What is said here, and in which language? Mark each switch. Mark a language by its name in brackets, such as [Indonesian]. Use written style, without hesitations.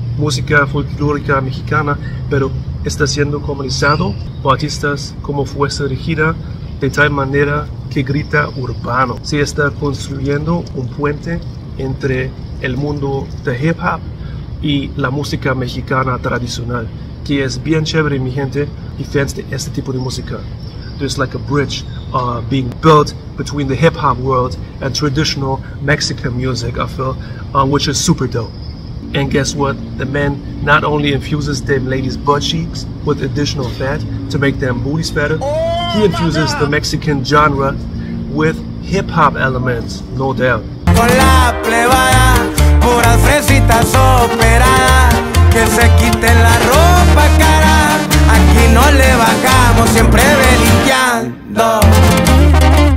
[Spanish] música folclórica mexicana, pero está siendo comercializado por artistas como Fuerza Regida de tal manera que grita urbano. Se está construyendo un puente entre el mundo de hip hop y la música mexicana tradicional, que es bien chévere, mi gente, y fans de este tipo de música. [English] There's like a bridge being built between the hip hop world and traditional Mexican music, I feel, which is super dope. And guess what? The man not only infuses them ladies' butt cheeks with additional fat to make them booties fatter, he infuses the Mexican genre with hip hop elements, no doubt. [Spanish] Con la plebada, puras fresitas operadas, que se quiten la ropa cara, aquí no le bajamos, siempre belinqueando.